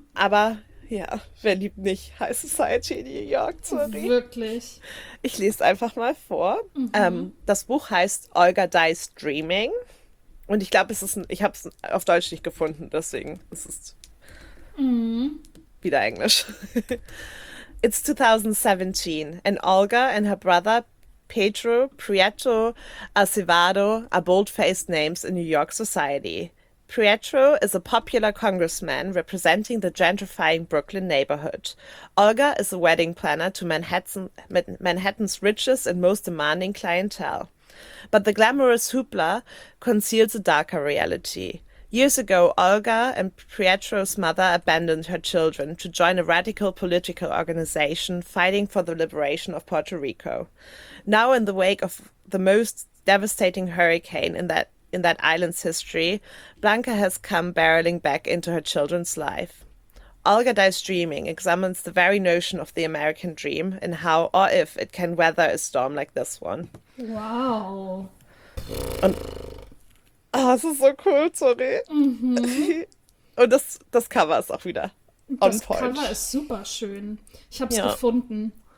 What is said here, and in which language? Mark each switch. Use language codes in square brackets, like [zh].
[de] Aber ja, wer liebt nicht High Society in New York, sorry. Wirklich. Ich lese einfach mal vor. Mhm. Das Buch heißt Olga Dies Dreaming. Und ich glaube, ich habe es auf Deutsch nicht gefunden, deswegen ist es wieder Englisch. [en] It's 2017 and Olga and her brother Pedro Prieto Acevedo are bold-faced names in New York society. Prieto is a popular congressman representing the gentrifying Brooklyn neighborhood. Olga is a wedding planner to Manhattan's richest and most demanding clientele. But the glamorous hoopla conceals a darker reality. Years ago, Olga and Prieto's mother abandoned her children to join a radical political organization fighting for the liberation of Puerto Rico. Now, in the wake of the most devastating hurricane in that island's history, Blanca has come barreling back into her children's life. Olga Dies Dreaming examines the very notion of the American dream and how or if it can weather a storm like this one. Wow. [de] Und, oh, das ist so cool, sorry. Mhm. Und das Cover ist auch wieder Das Cover ist super schön. Ich habe es gefunden.